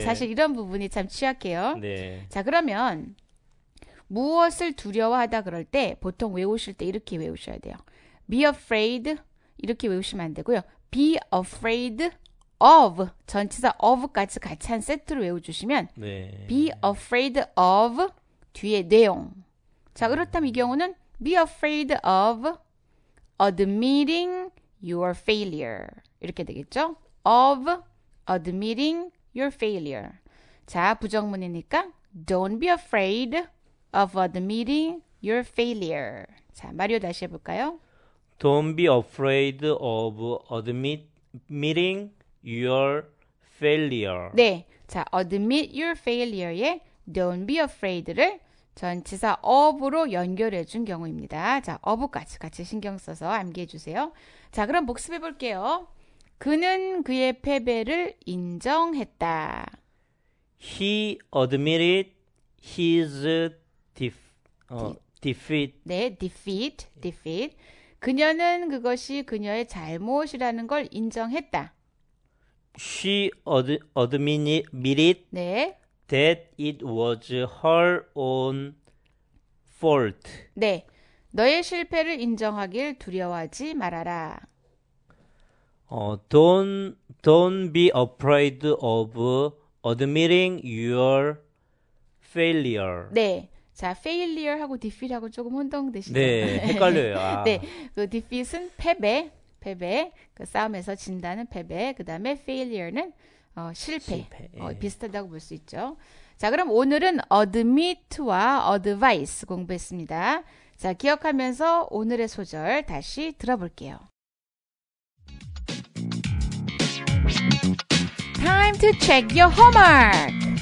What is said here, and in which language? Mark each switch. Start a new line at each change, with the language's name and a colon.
Korean: 사실 이런 부분이 참 취약해요. 네. 자, 그러면 무엇을 두려워하다 그럴 때 보통 외우실 때 이렇게 외우셔야 돼요. Be afraid 이렇게 외우시면 안 되고요. Be afraid of 전치사 of까지 같이 한 세트로 외워주시면 네.
English: Be afraid of 뒤에 내용.
Korean: 자, 그렇다면 이 경우는
English: Be afraid of admitting your failure
Korean: 이렇게 되겠죠?
English: of admitting your failure.
Korean: 자, 부정문이니까
English: don't be afraid of admitting your failure.
Korean: 자, 마리오 다시 해볼까요?
English: don't Don't be afraid of admitting your failure.
Korean: 네. 자, admit your failure에
English: don't be afraid
Korean: 를 전치사 of로 연결해 준 경우입니다. 자, of까지 같이 신경 써서 암기해 주세요. 자, 그럼 복습해 볼게요. 그는 그의 패배를 인정했다.
English: He admitted his defeat.
Korean: 네, defeat. 그녀는 그것이 그녀의 잘못이라는 걸 인정했다.
English: She admitted 네. that it was her own fault.
Korean: 네, 너의 실패를 인정하길 두려워하지 말아라.
English: Don't be afraid of admitting your failure.
Korean: 네. 자, failure 하고 defeat 하고 조금 혼동되시죠? 네, 헷갈려요. 아. 네. 그 defeat은 패배. 그 싸움에서 진다는 패배. 그다음에 failure는 실패. 예. 비슷하다고 볼 수 있죠. 자, 그럼 오늘은 admit와 advice 공부했습니다. 자, 기억하면서 오늘의 소절 다시 들어볼게요.
English: Time to check your homework.